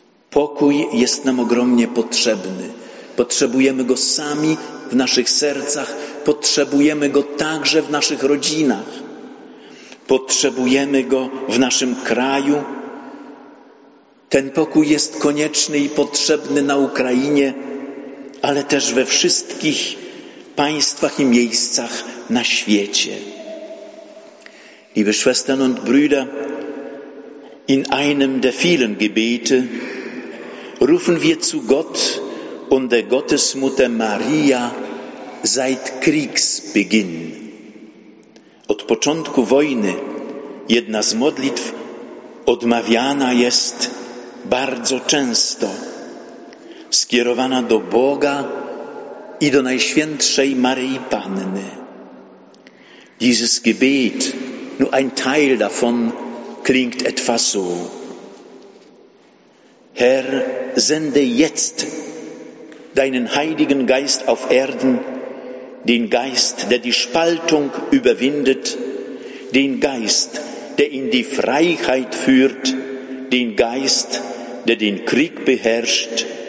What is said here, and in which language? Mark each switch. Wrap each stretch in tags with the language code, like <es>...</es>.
<pl>Pokój jest nam ogromnie potrzebny. Potrzebujemy go sami w naszych sercach, potrzebujemy go także w naszych rodzinach. Potrzebujemy go w naszym kraju. Ten pokój jest konieczny i potrzebny na Ukrainie, ale też we wszystkich państwach i miejscach na świecie.</pl> <de>Liebe Schwestern und Brüder, in einem der vielen Gebete rufen wir zu Gott und der Gottesmutter Maria seit Kriegsbeginn.</de> <pl>Od początku wojny jedna z modlitw odmawiana jest bardzo często, skierowana do Boga i do Najświętszej Maryi Panny.</pl> <de>Dieses Gebet, nur ein Teil davon, klingt etwa so. Herr, sende jetzt deinen Heiligen Geist auf Erden, den Geist, der die Spaltung überwindet, den Geist, der in die Freiheit führt, den Geist, der den Krieg beherrscht.</de>